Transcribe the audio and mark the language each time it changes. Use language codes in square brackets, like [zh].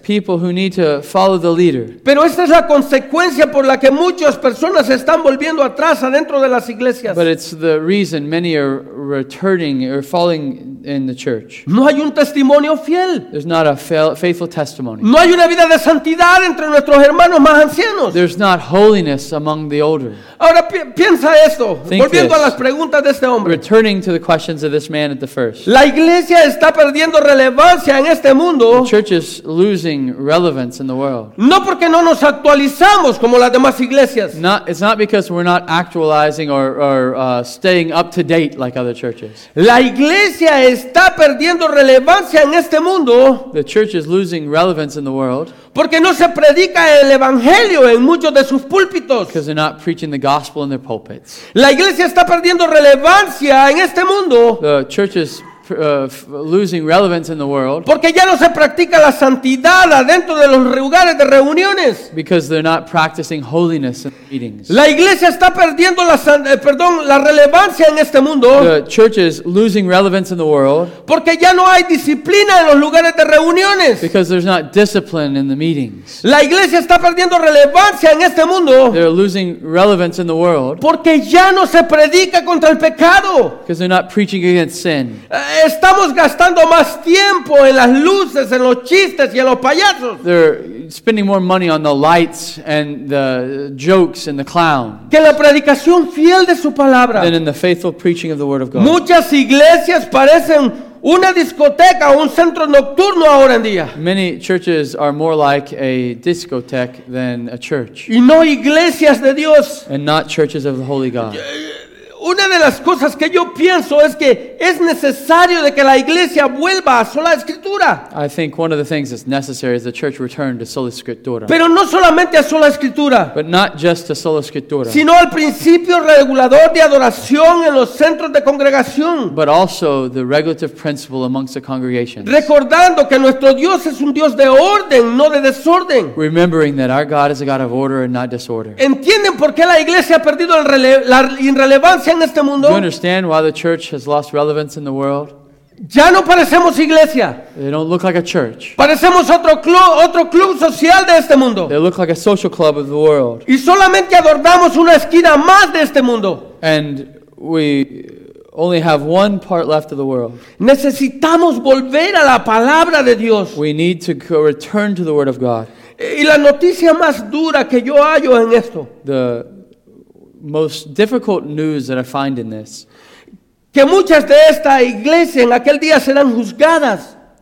[en] People who need to follow the leader. [es] Pero esta es la consecuencia por la que muchas personas están volviendo atrás adentro de las iglesias. [en] But it's the reason many are returning or falling in the church. [es] No hay un testimonio fiel. [en] There's not a faithful testimony. [es] No hay una vida de santidad entre nuestros hermanos más ancianos. [en] There's not holiness among the older. [es] Ahora piensa esto. [en] Think [es] volviendo [en] this. [es] A las preguntas de este hombre. [en] Returning to the questions of this man at the first. [es] La iglesia está perdiendo relevancia en este mundo. [en] The church is losing relevance in the world. [es] No porque no nos actualizamos como las demás iglesias. [en] It's not because we're not actualizing or staying up to date like other churches. [es] La iglesia está perdiendo relevancia en este mundo. [en] The church is losing relevance in the world. [es] Porque no se predica el evangelio en muchos de sus púlpitos. [en] Because they're not preaching the gospel in their pulpits. [es] La iglesia está perdiendo relevancia en este mundo. [en] The church is losing relevance in the world. [es] Porque ya no se practica la santidad adentro de los lugares de reuniones. [en] Because they're not practicing holiness in meetings. [es] La iglesia está perdiendo la relevancia en este mundo. [en] The church is losing relevance in the world. [es] Porque ya no hay disciplina en los lugares de reuniones. [en] Because there's not discipline in the meetings. [es] La iglesia está perdiendo relevancia en este mundo. [en] They're losing relevance in the world. [es] Porque ya no se predica contra el pecado. [en] Because they're not preaching against sin. [es] Estamos gastando más tiempo en las luces, en los chistes y en los payasos. [en] They're spending more money on the lights and the jokes and the clowns. [es] Que la predicación fiel de su palabra. [en] Than in the faithful preaching of the word of God. [es] Muchas iglesias parecen una discoteca o un centro nocturno ahora en día. [en] Many churches are more like a discotheque than a church. [es] Y no iglesias de Dios. [en] And not churches of the Holy God. [es] Una de las cosas que yo pienso es que es necesario de que la iglesia vuelva a sola escritura. [en] I think one of the things that's necessary is the church return to sola escritura. [es] Pero no solamente a sola escritura. [en] But not just to sola escritura. [es] Sino al principio regulador de adoración en los centros de congregación. [en] But also the regulative principle amongst the congregations. [es] Recordando que nuestro Dios es un Dios de orden, no de desorden. [en] Remembering that our God is a God of order and not disorder. [es] ¿Entienden por qué la iglesia ha perdido la irrelevancia? [en] Do you understand why the church has lost relevance in the world? [es] Ya no parecemos iglesia. [en] They don't look like a church. [es] Parecemos otro club social de este mundo. [en] They look like a social club of the world. [es] Y solamente adornamos una esquina más de este mundo. [en] And we only have one part left of the world. [es] Necesitamos volver a la palabra de Dios. [en] We need to return to the word of God. [es] Y la noticia más dura que yo hallo en esto. [en] The most difficult news that I find in this. [es] Que muchas de esta iglesia en aquel día serán juzgadas.